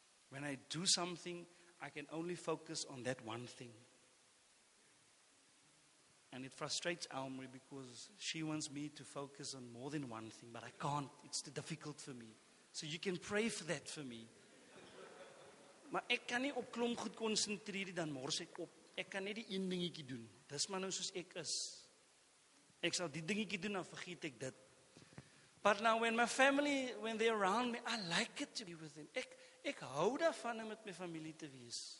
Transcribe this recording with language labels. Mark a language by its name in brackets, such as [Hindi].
[English] When I do something, I can only focus on that one thing. And it frustrates Almri because she wants me to focus on more than one thing, but I can't. It's too difficult for me. So you can pray for that for me. [Afrikaans] Maar ek kan nie op klomp goed konsentreer dan mors ek op. Ek kan net die een dingetjie doen. Dis maar nou soos ek is. Ek sal die dingetjie doen, dan vergeet ek dit. [English] But now when my family, when they're around me, I like it to be with them. [Afrikaans] Ek hou daarvan om met my familie te wees.